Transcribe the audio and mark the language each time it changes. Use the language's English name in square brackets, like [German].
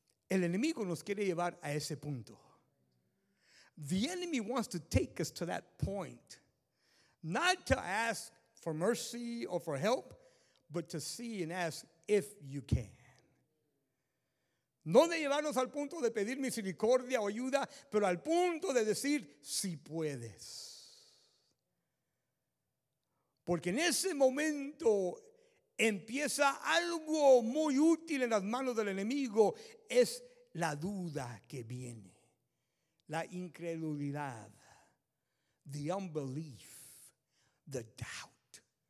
[Spanish] El enemigo nos quiere llevar a ese punto. [English] The enemy wants to take us to that point. Not to ask for mercy or for help, but to see and ask if you can. [Spanish] No de llevarnos al punto de pedir misericordia o ayuda, pero al punto de decir si puedes. Porque en ese momento empieza algo muy útil en las manos del enemigo, es la duda que viene, la incredulidad, [English] the unbelief. The doubt.